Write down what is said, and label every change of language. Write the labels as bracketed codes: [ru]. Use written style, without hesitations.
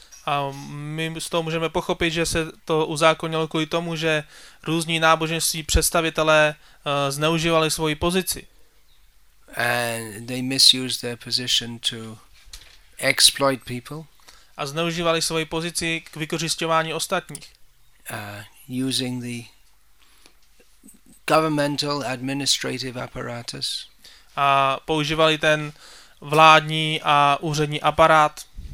[cs] A my z toho můžeme pochopit, že se to uzákonilo kvůli tomu, že různí náboženství představitelé zneužívali svoji pozici. [en] And they misused their position to exploit people. [cs] A zneužívali svoji pozici k vykořisťování ostatních. Using the governmental administrative apparatus. A používali ten vládní a úřední aparát.